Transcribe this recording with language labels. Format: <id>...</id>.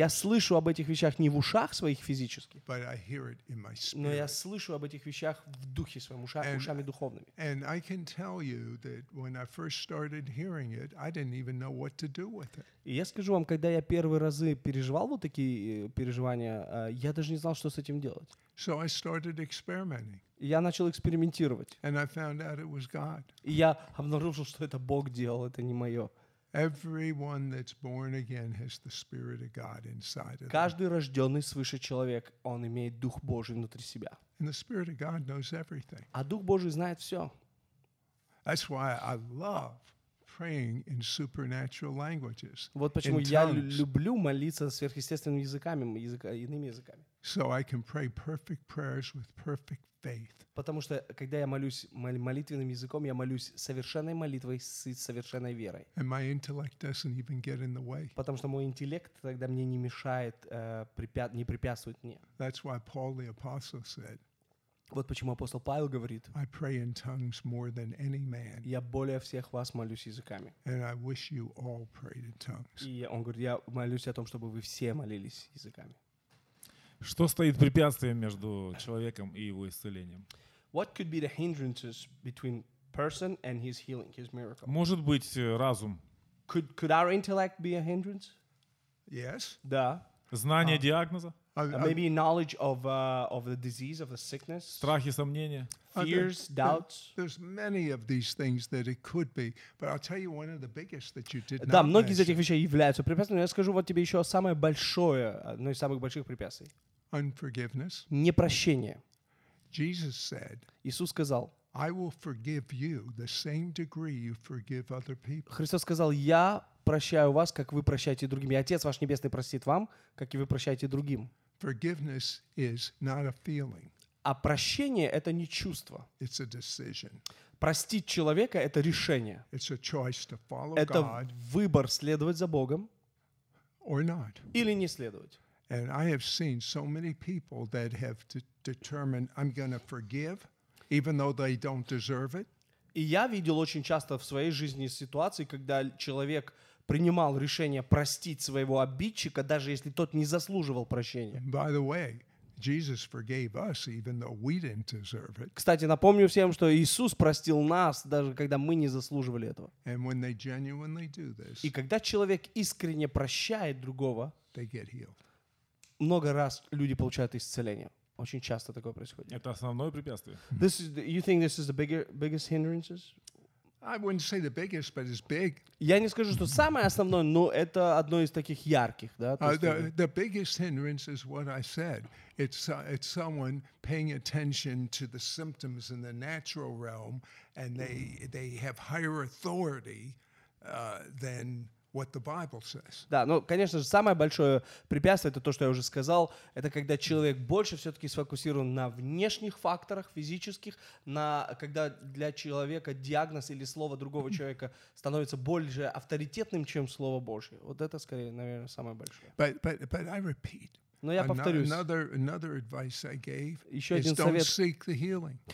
<ru>Я слышу об этих вещах не в ушах своих физически.</ru> <en>But I hear it in my spirit.</en> <ru>Но я слышу об этих вещах в духе своем, ушами духовными.</ru> <en>And I can tell you that when I first started hearing it, I didn't even know what to do with it.</en> <ru>И я скажу вам, когда я первые разы переживал вот такие переживания, я даже не знал, что с этим делать.</ru> <en>So I started experimenting.</en> <ru>Я начал экспериментировать.</ru> <en>And I found out it was God.</en> <ru>И я обнаружил, что это Бог делал, это не мое.</ru> <en>Everyone that's born again has the Spirit of God inside of them.</en> <ru>Каждый рожденный свыше человек, он имеет Дух Божий внутри себя.</ru> <en>And the Spirit of God knows everything.</en> <ru>А Дух Божий знает все.</ru> <en>That's why I love praying in supernatural languages.</en> <ru>Вот почему я люблю молиться сверхъестественными языками, иными языками.</ru> <en>So I can pray perfect prayers with perfect faith.</en> <ru>Потому что когда я молюсь молитвенным языком, я молюсь совершенной молитвой с совершенной верой.</ru> <en>And my intellect doesn't even get in the way.</en> <ru>Потому что мой интеллект тогда мне не мешает, не препятствует мне.</ru> <en>That's why Paul the apostle said.</en> <ru>Вот почему апостол Павел говорит:</ru> <en>I pray in tongues more than any man.</en> <ru>Я более всех вас молюсь языками.</ru> <en>And I wish you all prayed in tongues.</en> <ru>И он говорит: я молюсь о том, чтобы вы все молились языками. Что стоит препятствием между человеком и его исцелением?</ru> <en>What could be the hindrances between person and his healing, his miracle?</en> <ru>Может быть, разум.</ru> <en>Could our intellect be a hindrance? Yes.</en> <ru>Да. Знание диагноза?</ru> <en>Maybe knowledge of the disease, of the sickness.</en> <ru>Страхи, сомнения.</ru> <en>Fears, doubts. There's many of these things that it could be, but I'll tell you one of the biggest that you did not.</en> <ru>Да, многие из этих вещей являются препятствиями. Но я скажу вот тебе еще самое большое, одно из самых больших препятствий.</ru> <en>Unforgiveness.</en> <ru>Непрощение.</ru> <en>Jesus said.</en> <ru>Иисус сказал.</ru> <en>I will forgive you the same degree you forgive other people.</en> <ru>Христос сказал: я прощаю вас, как вы прощаете другим. И Отец ваш Небесный простит вам, как и вы прощаете другим.</ru> <en>Forgiveness is not a feeling.</en> <ru>А прощение — это не чувство.</ru> <en>It's a decision.</en> <ru>Простить человека — это решение.</ru> <en>It's a choice to follow God.</en> <ru>Это выбор следовать за Богом</ru> <en>or not.</en> <ru>Или не следовать.</ru> <en>And I have seen so many people that have determined I'm going to forgive, even though they don't deserve it.</en> <ru>И я видел очень часто в своей жизни ситуации, когда человек принимал решение простить своего обидчика, даже если тот не заслуживал прощения.</ru> <en>By the way, Jesus forgave us, even though we didn't deserve it.</en> <ru>Кстати, напомню всем, что Иисус простил нас, даже когда мы не заслуживали этого.</ru> <en>And when they genuinely do this,</en> <ru>и когда человек искренне прощает другого,</ru> <en>they get healed.</en> <ru>Много раз люди получают исцеление. Очень часто такое происходит. Это основное препятствие.</ru> <en>This is the, you think this is the biggest hindrances? I wouldn't say the biggest, but it's big.</en> <ru>Я не скажу, что самое основное, но это одно из таких ярких, да?</ru> <en>The biggest hindrance is what I said. It's someone paying attention to the symptoms in the natural realm, and they have higher authority than what the Bible says.</en> <ru>Да, ну, конечно же, самое большое препятствие, это то, что я уже сказал, это когда человек больше все-таки сфокусирован на внешних факторах, физических, на когда для человека диагноз или слово другого человека становится более авторитетным, чем слово Божье. Вот это, скорее, наверное, самое большое.</ru> <en>But I repeat.</en> <ru>Но я повторюсь.</ru> <en>Another advice I gave is don't seek the healing.</en>